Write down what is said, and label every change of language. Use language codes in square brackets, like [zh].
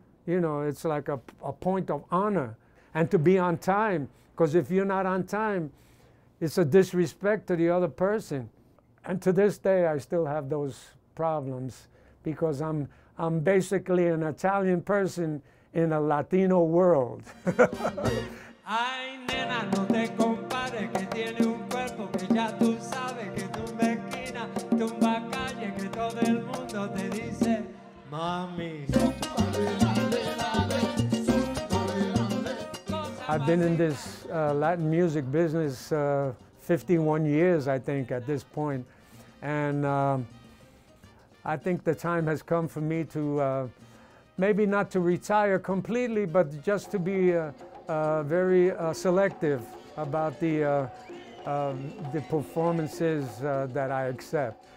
[en] You know, it's like a point of honor, and to be on time, because if you're not on time, it's a disrespect to the other person. And to this day, I still have those problems because I'm basically an Italian person in a Latino world. [es] Ay, nena, no te compares, que tiene un cuerpo que ya tú sabes, que tumba esquina, tumba calle, que todo el mundo te dice, mami. [en] I've been in this Latin music business 51 years, I think, at this point. And I think the time has come for me to, maybe not to retire completely, but just to be very selective about the performances that I accept.